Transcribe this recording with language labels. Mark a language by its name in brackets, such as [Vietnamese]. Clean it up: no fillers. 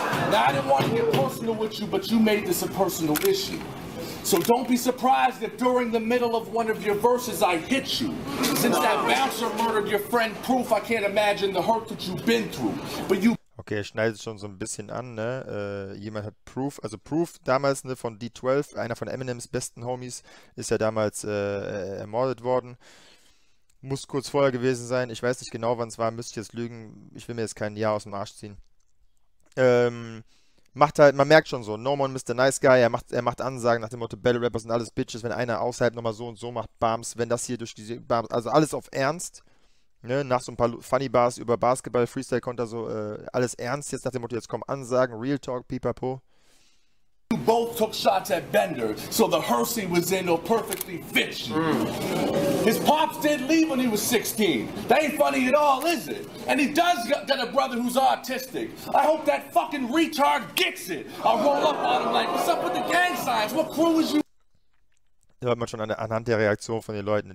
[English] Now, I didn't want to get personal with you, but you made this a personal issue. So don't be surprised if during the middle of one of your verses I hit you. Since that bouncer murdered your friend Proof, I can't imagine the hurt that you've been through. But you... [German] Okay, er schneidet schon so ein bisschen an, ne? Jemand hat Proof, also Proof damals, ne, von D12, einer von Eminems besten Homies, ist ja damals ermordet worden. Muss kurz vorher gewesen sein. Ich weiß nicht genau, wann es war. Müsste ich jetzt lügen. Ich will mir jetzt kein Jahr aus dem Arsch ziehen. Macht halt, man merkt schon so. [English] No more Mr. Nice Guy. [German] Er macht Ansagen nach dem Motto, Battle Rappers sind alles Bitches. Wenn einer außerhalb nochmal so und so macht, Bams. Wenn das hier durch diese Bams. Also alles auf Ernst. Ne? Nach so ein paar Funny Bars über Basketball, Freestyle-Konter so. Alles ernst. Jetzt nach dem Motto, jetzt kommen Ansagen. Real Talk, pipapo. [English] You both took shots at Bender, so the hearse he was in will perfectly fit you. His pops did leave when he was 16. That ain't funny at all, is it? And he does got a brother who's autistic. I hope that fucking retard gets it. I'll roll up on him like, what's up with the gang signs? What crew is you? [German] Da hört man schon anhand der Reaktion von den Leuten.